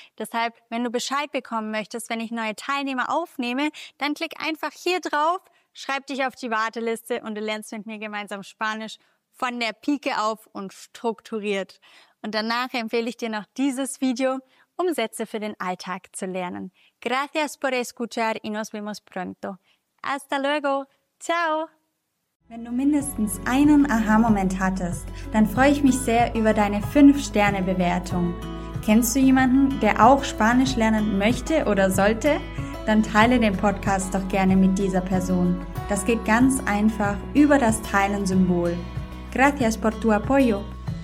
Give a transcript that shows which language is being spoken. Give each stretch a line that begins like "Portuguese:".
German: Deshalb, wenn du Bescheid bekommen möchtest, wenn ich neue Teilnehmer aufnehme, dann klick einfach hier drauf, schreib dich auf die Warteliste und du lernst mit mir gemeinsam Spanisch von der Pike auf und strukturiert. Und danach empfehle ich dir noch dieses Video, um Sätze für den Alltag zu lernen.
Spanish: Gracias por escuchar y nos vemos pronto. Hasta luego. Ciao.
German: Wenn du mindestens einen Aha-Moment hattest, dann freue ich mich sehr über deine 5-Sterne-Bewertung. Kennst du jemanden, der auch Spanisch lernen möchte oder sollte? Dann teile den Podcast doch gerne mit dieser Person. Das geht ganz einfach über das Teilen-Symbol.
Spanish: Gracias por tu apoyo.